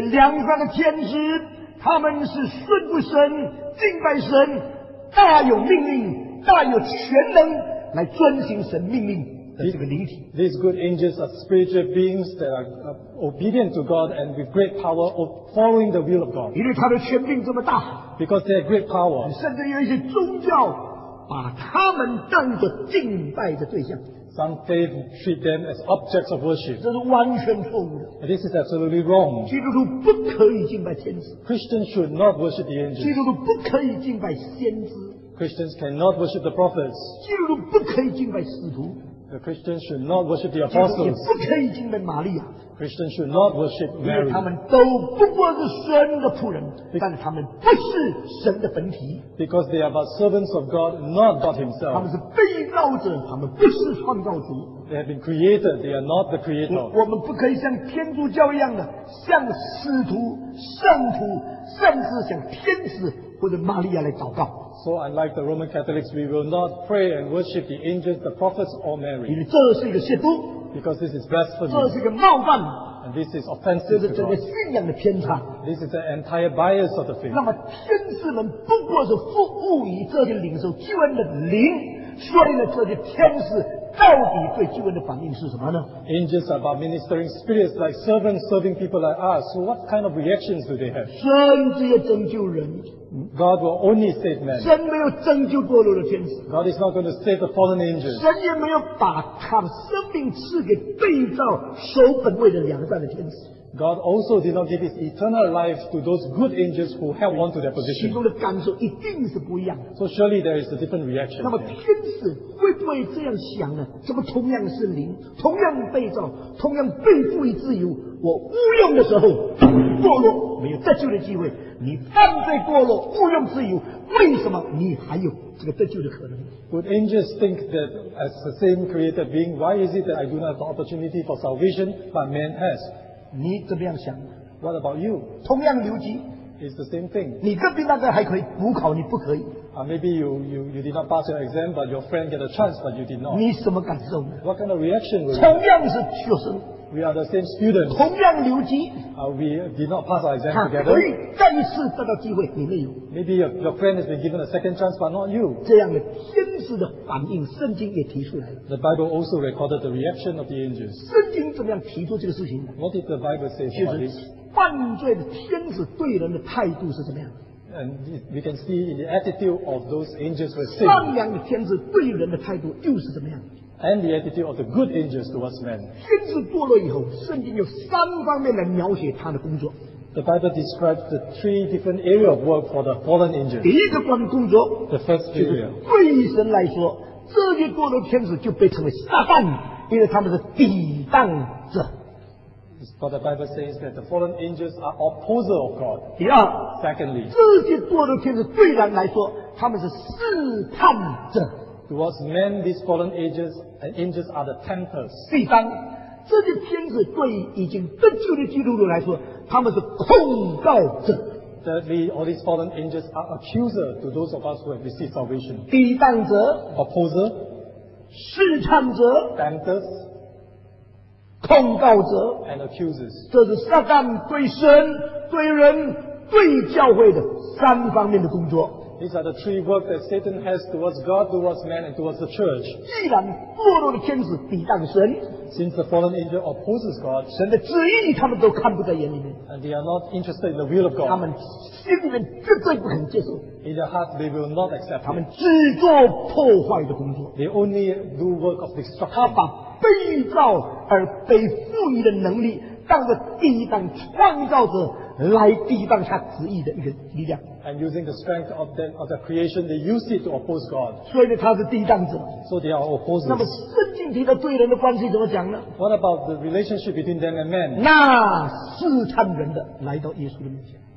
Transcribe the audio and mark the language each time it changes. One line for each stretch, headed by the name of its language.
Chinese: 这两方的天使，他们是顺服神、敬拜神，大有命令、大有全能。来遵循神命令的这个灵体。
English: These good angels are spiritual beings that are obedient to God and with great power of following the will of God.
Chinese: 因为他的权柄这么大。
English: Because they have great power.
Chinese: 甚至有一些宗教把他们当作敬拜的对象。
English: Some faith treat them as objects of worship.
Chinese: 这是完全错误的。
English: This is absolutely wrong.
Chinese: 基督徒不可以敬拜天使。
English: Christians should not worship the angels.
Chinese: 基督徒不可以敬拜先知。
English: Christians cannot worship the prophets.
Chinese: 基督徒不可以敬拜使徒。
English: The Christians should not worship the apostles.
Chinese: 基督徒也不可以敬拜玛利亚。
English: Christians should not worship Mary.
Chinese: 因为他们都不过是神的仆人，但他们不是神的本体。
English: Because they are but servants of God, not God himself.
Chinese: 他们是被造者，他们不是创造主。
English: They have been created, they are not the creator.
Chinese: 我们不可以像天主教一样的，像使徒、圣徒，甚至像天使或者玛利亚来祷告。
English: So unlike the Roman Catholics, we will not pray and worship the angels, the prophets, or Mary.
Chinese: 因为这是一个亵渎。
English: Because this is blasphemy.
Chinese: 这是一个冒犯。
English: And this is offensive.
Chinese: 这是整个信仰的偏差。
English: This is the entire bias of the faith.
Chinese: 那么天使们不过是服务于这些领受救恩的灵，所以呢，这些天使到底对救恩的反应是什么呢？
English: Angels are about ministering spirits like servants serving people like us. So what kind of reactions do they have?
Chinese: 神只有拯救人。
English: God will only save men.
Chinese: 神没有拯救堕落的天使。
English: God is not going to save the fallen angels.
Chinese: 神也没有把他的生命赐给被造守本位的良善的天使。
English: God also did not give his eternal life to those good angels who held on to their position.
Chinese: 心中的感受一定是不一样的。
English: So surely there is a different reaction.
Chinese: 那么天使会不会这样想呢？怎么同样是灵，同样被造，同样被赋予自由，我无用的时候堕落，没有得救的机会。你犯罪堕落，无用自由，为什么你还有这个得救的可能？
English: Would angels think that as the same created being, why is it that I do not have the opportunity for salvation, but man has?
Chinese: 你怎么样想？
English: What about you?
Chinese: 同样留级。
English: It's the same thing.
Chinese: 你隔壁那个还可以补考，你不可以。
English: Maybe you did not pass your exam, but your friend get a chance, but you did not.
Chinese: 你什么感受？
English: What kind of reaction will you?
Chinese: 同样是学生。
English: We are the same students.
Chinese: 同样留级。
English: We did not pass our exam together.
Chinese: 可以再次得到机会，你没有。
English: Maybe your friend has been given a second chance, but not you.
Chinese: 这样的天使的反应，圣经也提出来。
English: The Bible also recorded the reaction of the angels.
Chinese: 圣经怎么样提出这个事情？
English: What did the Bible say about this?
Chinese: 犯罪的天使对人的态度是怎么样？
English: And we can see in the attitude of those angels were saved.
Chinese: 善良的天使对人的态度又是怎么样？
English: And the attitude of the good angels towards men.
Chinese: 天使堕落以后，圣经有三方面来描写他的工作。
English: The Bible describes the three different areas of work for the fallen angels.
Chinese: 第一个关于工作，
English: the first area.
Chinese: 对于神来说，这些堕落天使就被称为撒旦，因为他们是抵挡者。
English: But the Bible says that the fallen angels are opposer of God.
Chinese: 第二，
English: secondly,
Chinese: 这些堕落天使对人来说，他们是试探者。
English: Towards men, these fallen angels and angels are the tempters.
Chinese: 第三，这些天使对于已经得救的基督徒来说，他们是控告者。
English: Thirdly, all these fallen angels are accuser to those of us who have received salvation.
Chinese: 抵挡者
English: ，opposer，
Chinese: 试探者
English: ，tempters，
Chinese: 控告者
English: ，and accusers.
Chinese: 这是撒旦对神、对人、对教会的三方面的工作。
English: These are the three works that Satan has towards God, towards man, and towards the church.
Chinese: 既然堕落的天使抵挡神，
English: since the fallen angel opposes God,
Chinese: 神的旨意他们都看不在眼里面，
English: and they are not interested in the will of God,
Chinese: 他们心里面绝对不肯接受。
English: In their heart, they will not accept.
Chinese: 他们只做破坏的工作。
English: They only do work of destruction.
Chinese: 他把被造而被赋予的能力当作抵挡创造者来抵挡他旨意的一个力量。
English: And using the strength of the creation, they use it to oppose God.
Chinese: 所以呢，他是抵挡者。
English: So they are opposers.
Chinese: 那么圣经提到罪人的关系怎么讲呢
English: ？What about the relationship between them and man?
Chinese: 那试探人的来到耶稣的面前。